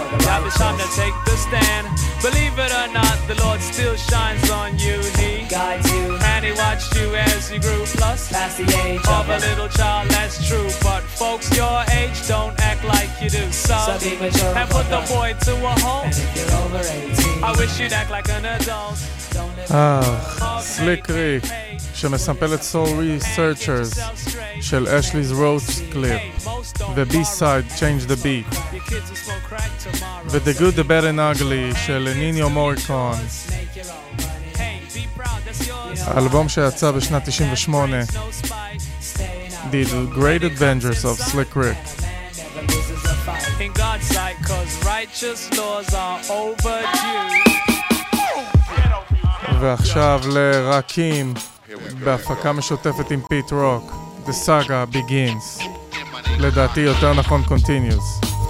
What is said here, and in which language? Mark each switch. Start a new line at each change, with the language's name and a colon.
English: righteous. Now it's time to take the stand. Believe it or not, the Lord still shines on you. He guides you. And he watched you as you grew. Plus, past the age of a little child, that's true. But folks your age don't act like you do. So be mature. And put the boy to a halt. And if you're over 18, I wish you'd act like an adult.
Hebrew: סליק ריק שמסמפל את סול ריסרצ'רס של אשלי'ס רוץ' קליפ ובי-סייד צ'יינג' דה ביט ודה גוד דה בד אנד אגלי של ניניו מוריקון, אלבום שיצא בשנת 98, The Great Adventures of סליק ריק.
English: In God's sight, cause righteous laws are overdue.
Hebrew: ועכשיו לרקים בהפקה משותפת עם פיט רוק, The Saga Begins, לדעתי יותר נכון Continues.